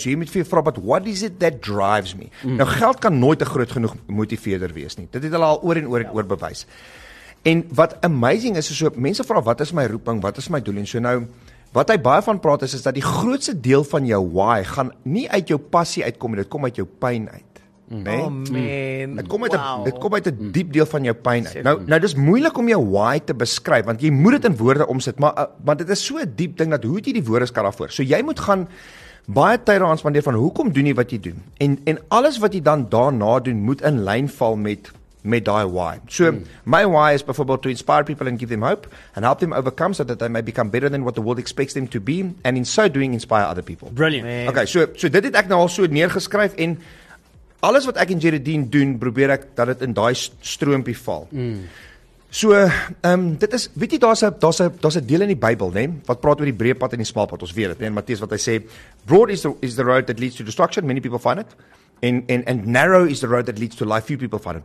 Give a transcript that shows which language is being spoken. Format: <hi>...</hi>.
<af>So jy moet vir jou vra,</af> <en>but what is it that drives me?</en> <af>Nou geld kan nooit 'n groot genoeg motiveerder wees nie. Dit het hulle al oor en oor en oor bewys. En wat amazing is, is so, mense vra, wat is my roeping, wat is my doel? En so nou, wat hy baie van praat is dat die grootste deel van jou why gaan nie uit jou passie uitkom, dit kom uit jou pyn uit. Nee? Oh man. Dit kom uit 'n diep deel van jou pyn uit. Nou dis moeilik om jou why te beskryf, want jy moet dit in woorde omsit, maar dit is so 'n diep ding dat hoe het jy die woorde skat daarvoor? So jy moet gaan baie tyd daaraan spandeer van hoekom doen jy wat jy doen? En alles wat jy dan daarna doen moet in lyn val met die why.</af> <en>So, my why is byvoorbeeld to inspire people and give them hope and help them overcome so that they may become better than what the world expects them to be, and in so doing inspire other people. Brilliant.</en> <af>Man. Okay, so dit het ek nou al so neergeskryf, en alles wat ek en Geraldine doen, probeer ek dat dit in daai stroompie val. So, dit is, weet jy, daar's 'n deel in die Bybel, né, wat praat oor die breë pad en die smal pad. Ons weet dit, né, en Matteus wat hy sê,</af> <en>broad is the road that leads to destruction, many people find it. And narrow is the road that leads to life, few people find it.</en>